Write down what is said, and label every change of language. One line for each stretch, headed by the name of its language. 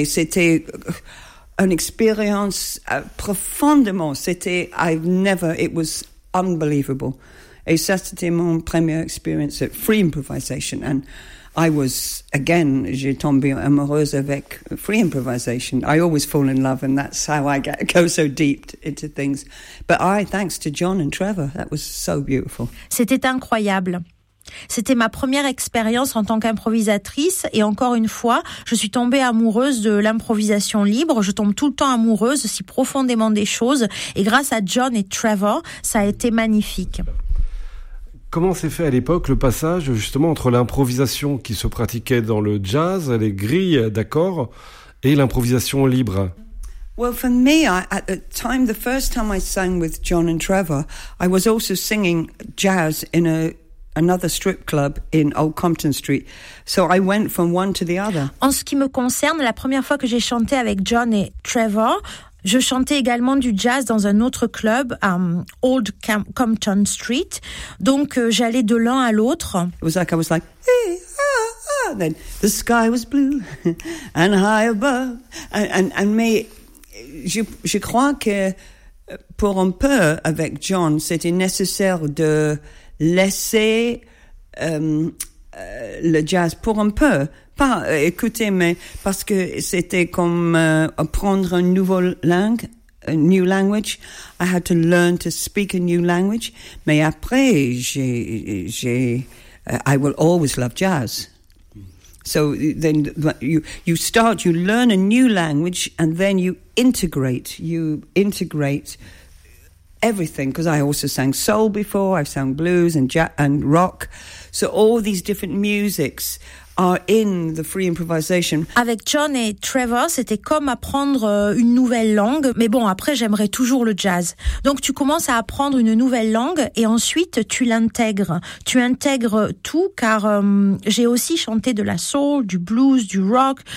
French: Et c'était une expérience profondément.
English: It was unbelievable.
French: Et ça, c'était mon première expérience
English: at free improvisation. And I was, again,
French: j'ai tombé amoureuse avec
English: free improvisation. I always fall in love, and that's how I get, go so deep into things. But I, thanks to John and Trevor, that was so beautiful.
French: C'était incroyable. C'était ma première expérience en tant qu'improvisatrice et encore une fois, je suis tombée amoureuse de l'improvisation libre. Je tombe tout le temps amoureuse si profondément des choses et grâce à John et Trevor, ça a été magnifique. Comment s'est fait à l'époque le passage justement entre l'improvisation qui se pratiquait dans le jazz, les grilles d'accords, et l'improvisation libre ?
English: Well, for me, at the time, the first time I sang with John and Trevor, I was also singing jazz in a another strip club in Old Compton Street. So I went from one to the other.
French: En ce qui me concerne, la première fois que j'ai chanté avec John et Trevor, je chantais également du jazz dans un autre club, Old Compton Street. Donc j'allais de l'un à l'autre.
English: It was like I was like, hey, ah, ah. And then the sky was blue and high above. And me,
French: je crois que pour un peu avec John, c'était nécessaire de laisser le jazz pour un peu, pas écouter, mais parce que c'était comme apprendre une nouvelle langue,
English: a new language. I had to learn to speak a new language.
French: Mais après,
English: I will always love jazz. So then you start, you learn a new language, and then you integrate. Everything, because I also sang soul before, I've sang blues and rock. So all these different musics are in the free improvisation.
French: Avec John et Trevor, c'était comme apprendre une nouvelle langue. Mais bon, après, j'aimerais toujours le jazz. Donc tu commences à apprendre une nouvelle langue et ensuite tu l'intègres. Tu intègres tout car j'ai aussi chanté de la soul, du blues, du rock.